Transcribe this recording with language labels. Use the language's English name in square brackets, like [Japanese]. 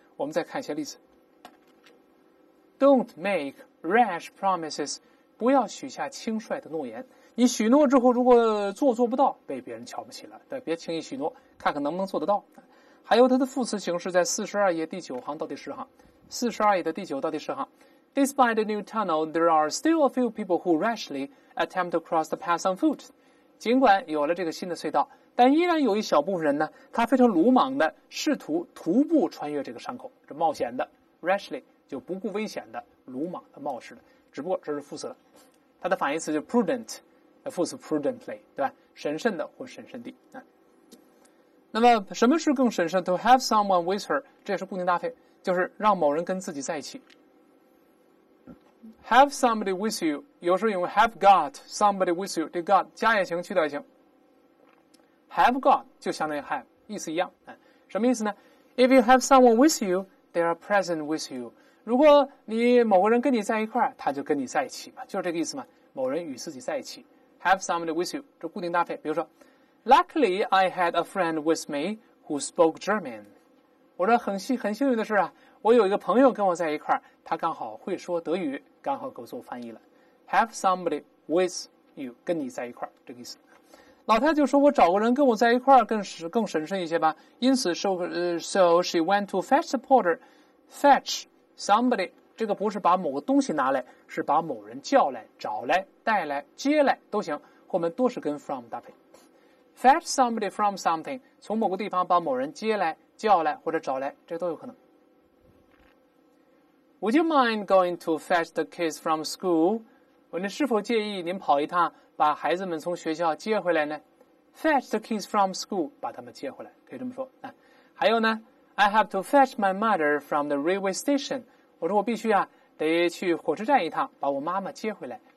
[Chinese] 我们再看一些例子。 [English] Don't make rash promises， [Chinese] 不要许下轻率的诺言。你许诺之后如果做不到，被别人瞧不起了，对，别轻易许诺，看看能不能做得到。还有它的副词形式在42页第9行到第10行。 42页的第9到第10行。 [English] Despite the new tunnel, there are still a few people who rashly attempt to cross the path on foot. [Chinese] 尽管有了这个新的隧道，但依然有一小部分人呢，他非常鲁莽的试图徒步穿越这个山口，这冒险的 rashly 就不顾危险的鲁莽的冒失的，只不过这是副词了。它的反义词就是 prudent， 副词 prudently， 对吧？审慎的或审慎地。那么什么是更审慎？ [English] To have someone with her， [Chinese] 这也是固定搭配，就是让某人跟自己在一起。 [English] Have somebody with you， [Chinese] 有时候用 [English] have got somebody with you， [Chinese] 这 got 加也行去掉也行。 Have got 就相当于 have， 意思一样。什么意思呢？ [English] If you have someone with you， they are present with you。 [Chinese] 如果你某个人跟你在一块，他就跟你在一起嘛，就是这个意思嘛。某人与自己在一起， [English] Have somebody with you， [Chinese] 这固定搭配。比如说 [English] Luckily I had a friend with me who spoke German。 [Chinese] 我说很幸运的是啊，我有一个朋友跟我在一块，他刚好会说德语，刚好给我做翻译了。 [English] Have somebody with you， [Chinese] 跟你在一块，这个意思。老太就说，我找个人跟我在一块更审慎一些吧，因此 [English] so she went to fetch the porter。 [Chinese] Fetch somebody， 这个不是把某个东西拿来，是把某人叫来、找来、带来、接来都行，后面都是跟 from 搭配。 [English] Fetch somebody from something， [Chinese] 从某个地方把某人接来、叫来或者找来，这都有可能。 [English] Would you mind going to fetch the kids from school? [Chinese] 您是否介意您跑一趟把孩子们从学校接回来呢？ [English] Fetch the kids from school， [Chinese] 把他们接回来，可以这么说。还有呢， [English] I have to fetch my mother from the railway station。 [Chinese] 我说我必须啊，得去火车站一趟把我妈妈接回来。